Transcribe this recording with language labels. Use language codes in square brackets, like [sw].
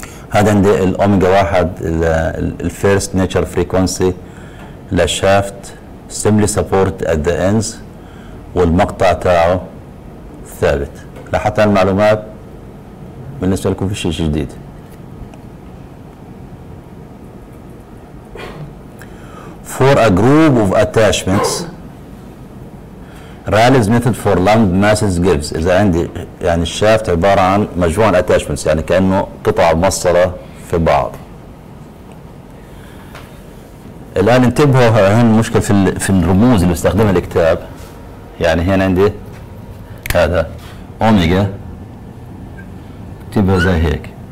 [ar] هذا عندي الاوميجا واحد الفيرست نيتشر فريكونسي للشافت [en] simply support at the ends, [ar] والمقطع تاعه ثابت. لحتى المعلومات بالنسبه لكم في شيء جديد. [en] For a group of attachments, Rayleigh's method for lump masses gives. [ar] إذا عندي يعني الشافت عبارة عن مجموعة attachments، يعني كأنه قطع مصرة في بعض. الآن انتبهوا هنا المشكلة في الرموز اللي استخدمها الكتاب. يعني هنا عندي هذا أوميجا، اكتبها زي هيك.